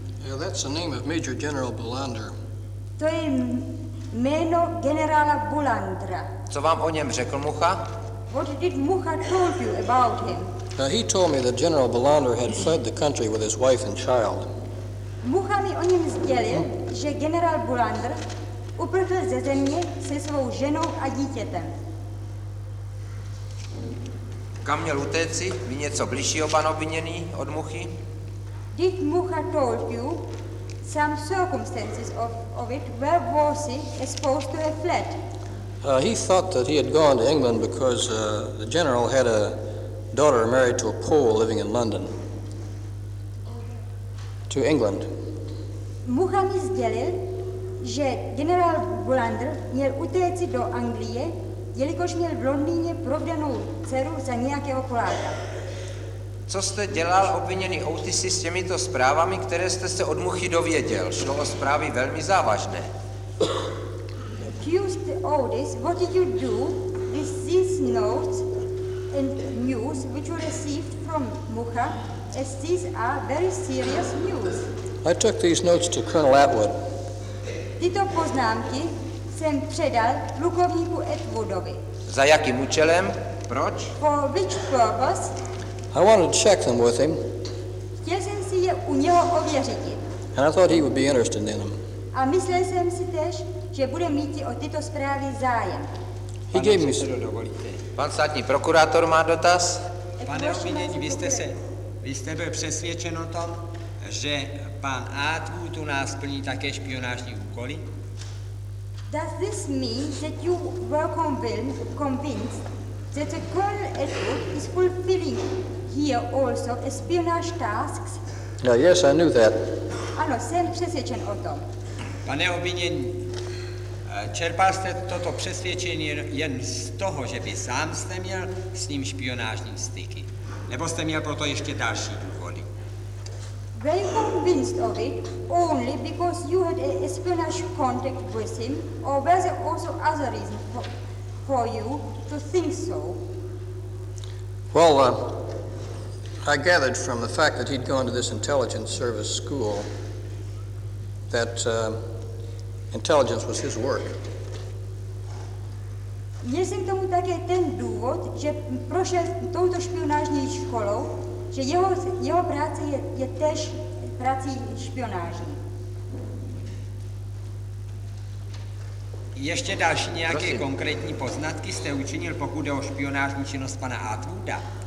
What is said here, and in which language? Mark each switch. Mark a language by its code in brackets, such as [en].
[en] Yeah, that's the name of Major General Bulandra. [cs] To je jméno generála Bulandra. Co vám o něm řekl Mucha? [en] What did Mucha told you about him? He told me that General Bulandra had fled the country with his wife and child. [cs] Mucha mi o něm sdělil, že generál Bulandra uprchl ze země se svou ženou a dítětem. Kam měl utéci? Ví něco bližšího pan obviněný od Muchy? [en] Did Mucha told you some circumstances of it? Where was he supposed to have fled? He thought that he had gone to England because the general had a daughter married to a Pole living in London. To England. [cs] Mucha mi sdělil, že generál Bulandr měl utéci do Anglie, jelikož měl v Londýně provdanou dceru za nějakého Poláka. Co jste dělal, obviněný Otisi, s těmito zprávami, které jste se od Muchy dověděl? Šlo o zprávy velmi závažné. [en] Accused Otis, what did you do with these notes and news which you received from Mucha, as these are very serious news? I took these notes to Colonel Atwood. [cs] Tyto poznámky jsem předal plukovníku Atwoodovi. Za jakým účelem? Proč? [en] For which purpose? I wanted to check them with him. [cs] Chtěl jsem si je u něho ověřit. [en] And I thought he would be interested in them. [cs] A myslel jsem si též, že bude mít o tyto zprávy zájem. [en] He gave me [cs] pan státní prokurátor má dotaz. Pane obvinění, vy jste byl přesvědčen o tom, že pan Atwood u nás plní také špionážní úkoly? [en] Does this mean that you were convinced that the Colonel Atwood is fulfilling here also espionage tasks? No, yes, I knew that. [cs] Ano, jsem přesvědčen o tom. Pane obvinění, čerpal jste toto přesvědčení jen z toho, že vy sám jste měl s ním špionážní styky? Nebo jste měl proto ještě další důvody? [en] Were you convinced of it only because you had a espionage contact with him, or were there also other reasons for you to think so? Well, I gathered from the fact that he'd gone to this intelligence service school that intelligence was his work. [cs] Měl jsem k tomu také ten důvod, že prošel touto špionážní školou, že jeho práce je též prací špionáží. Ještě další nějaké Prosím. Konkrétní poznatky jste učinil, pokud jde o špionážní činnost pana Atwooda?